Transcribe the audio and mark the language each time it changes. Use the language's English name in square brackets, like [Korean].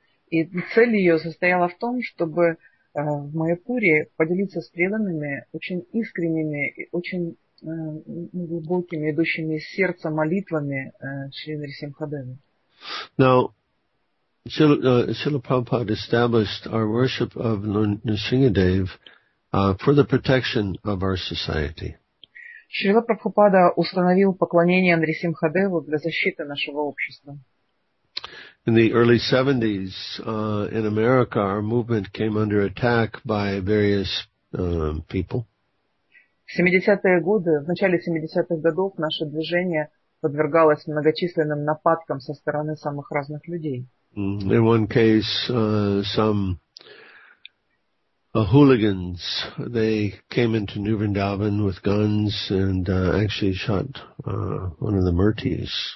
[Russian] И цель ее состояла в том, чтобы в Майяпуре поделиться с преданными очень искренними, очень глубокими, идущими из сердца молитвами Шри Нрисимхадеве. [English] Now, Srila Prabhupada established our worship of Nrisimhadev for the protection of our society. [Russian] Шрила Прабхупада установил поклонение Нрисимхадеву для защиты нашего общества. [English] In the early 70s, in America, our movement came under attack by various people. [Russian] В 70-е годы, в начале 70-х годов, наше движение подвергалось многочисленным нападкам со стороны самых разных людей. [English] In one case, some hooligans, they came into New Vrindavan with guns and actually shot one of the Murtis.